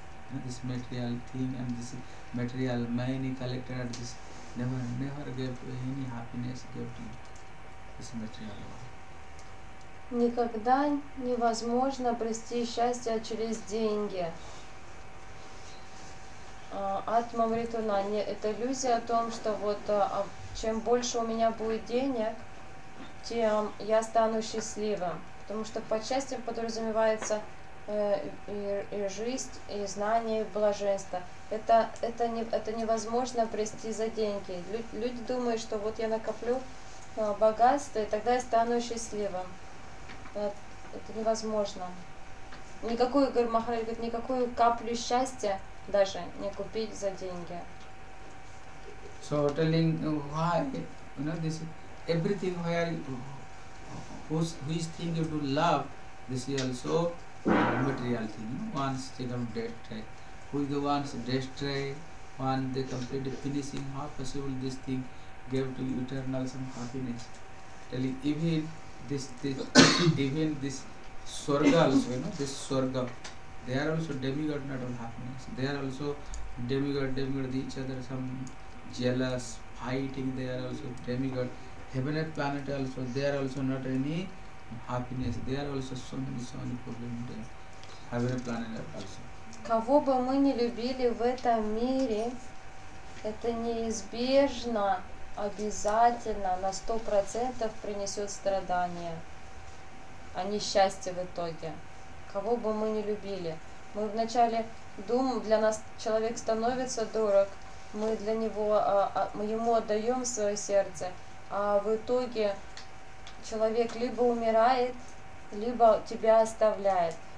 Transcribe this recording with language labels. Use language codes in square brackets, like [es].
[en] You know, this material thing and this material money collected at this, never give any happiness, give to you, this material one. [ru] Никогда невозможно обрести счастье через деньги. Атма Мритуна. Это иллюзия о том, что вот чем больше у меня будет денег, тем я стану счастливым. Потому что под счастьем подразумевается и жизнь, и знание, и блаженство. Это невозможно обрести за деньги. Люди думают, что вот я накоплю богатство, и тогда я стану счастливым. Это невозможно. Никакую, говорит Махарадж, никакую каплю счастья даже не купить за деньги. [en] So telling why, you know, this everything where which thing you do love, this is also material thing. Once they come destroy, who is the ones destroy, one they complete finishing, how possible this thing gave to eternal some happiness. Telling even this swarga also, you know, this swarga, they are also demigod, not all happiness. They are also demigod, each other some jealous, fighting, they are also demigod. Heaven and planet also, they are also not any happiness. They are also so many problems there. Heaven and planet also. [ru] Кого бы мы не любили в этом мире, это неизбежно, обязательно на 100% принесет страдания, а не счастье в итоге. Кого бы мы ни любили, мы вначале думаем, для нас человек становится дорог, мы для него, мы ему отдаем свое сердце, а в итоге человек либо умирает, либо тебя оставляет.